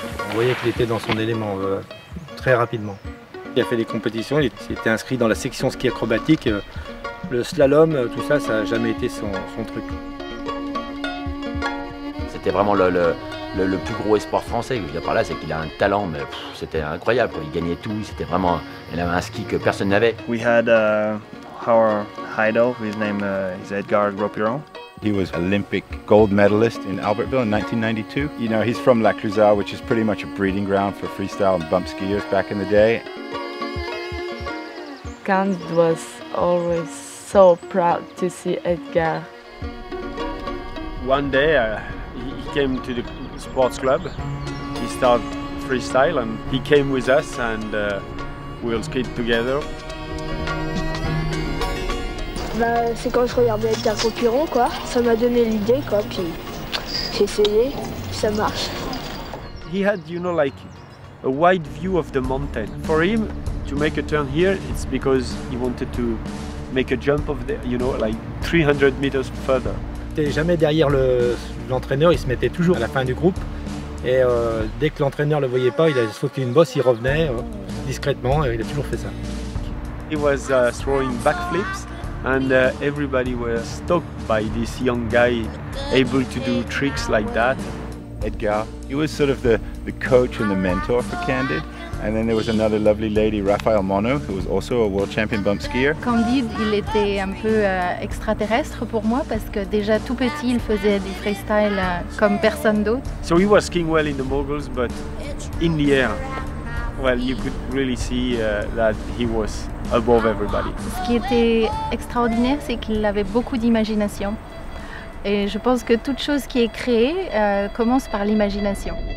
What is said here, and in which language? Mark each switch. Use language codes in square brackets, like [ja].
[fr] On voyait qu'il était dans son élément très rapidement. Il a fait des compétitions, il s'était inscrit dans la section ski acrobatique. Le slalom, tout ça, ça n'a jamais été son truc. C'était vraiment le plus gros espoir français, je veux dire par là, c'est qu'il a un talent, mais pff, c'était incroyable, quoi. Il gagnait tout, c'était vraiment un ski que personne n'avait. [en] We had our idol, his name is Edgar Ropiron. He was Olympic gold medalist in Albertville in 1992. You know, he's from La Cruzat, which is pretty much a breeding ground for freestyle and bump skiers back in the day. Candide was always so proud to see Edgar. One day, he came to the sports club. He started freestyle and he came with us and we all skied together. [fr] Bah, c'est quand je regardais Edgar Ropiron, quoi. Ça m'a donné l'idée, quoi. Puis j'ai essayé, ça marche. [en] He had, you know, like a wide view of the mountain. For him, to make a turn here, it's because he wanted to make a jump of the, you know, like 300 meters further. [fr] Il n'était jamais derrière l'entraîneur, il se mettait toujours à la fin du groupe. Et dès que l'entraîneur ne le voyait pas, il a sauté une bosse, il revenait discrètement et il a toujours fait ça. [en] He was throwing backflips and everybody was stoked by this young guy able to do tricks like that. Edgar, he was sort of the coach and the mentor for Candide. And then there was another lovely lady, Raphaël Monod, who was also a world champion bump skier. [fr] Candide, il était un peu extraterrestre pour moi parce que déjà tout petit, il faisait du freestyle comme personne d'autre. [en] So he was skiing well in the moguls, but in the air, well, you could really see that he was above everybody. [fr] Ce qui était extraordinaire, c'est qu'il avait beaucoup d'imagination. Et je pense que toute chose qui est créée commence par l'imagination.